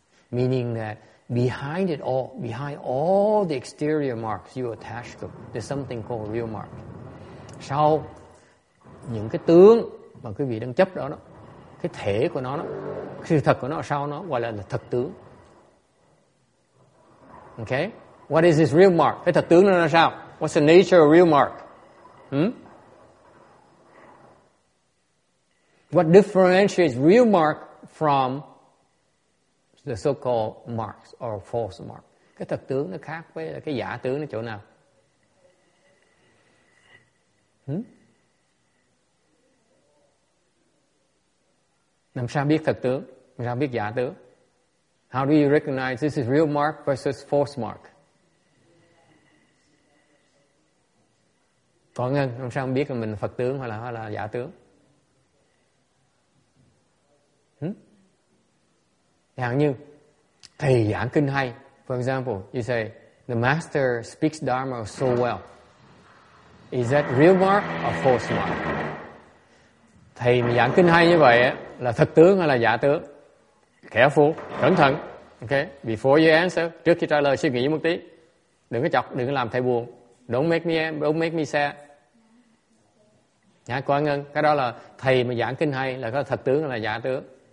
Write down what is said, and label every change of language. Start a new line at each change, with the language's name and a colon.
English: Meaning that behind it all, behind all the exterior marks you attach to, there's something called real mark.
Vietnamese: Sau những cái tướng mà quý vị đang chấp đó, cái thể của nó, sự thật của nó sau nó gọi là thật tướng.
English: Okay? What is this real mark?
Vietnamese: Cái thật tướng nó là sao?
English: What's the nature of real mark? What differentiates real mark from the so-called marks or false mark?
Vietnamese: Cái thật tướng nó khác với cái giả tướng nó chỗ nào? Làm sao biết thật tướng? Làm sao biết giả tướng?
English: How do you recognize this is real mark versus false mark?
Vietnamese: Có ngân, làm sao biết là mình Phật tướng hay là giả tướng? Chẳng như thầy giảng kinh hay.
English: For example, you say, the master speaks Dharma so well. Is that real mark or false mark?
Vietnamese: Thầy mà giảng kinh hay như vậy là thật tướng hay là giả tướng?
English: Careful,
Vietnamese: cẩn thận.
English: Okay, before you answer,
Vietnamese: trước khi trả lời suy nghĩ một tí. Đừng có chọc, đừng có làm thầy buồn.
English: Don't make me sad.
Vietnamese: Nhá, cô An Ngân, cái đó là thầy mà giảng kinh hay là có thật tướng hay là giả tướng?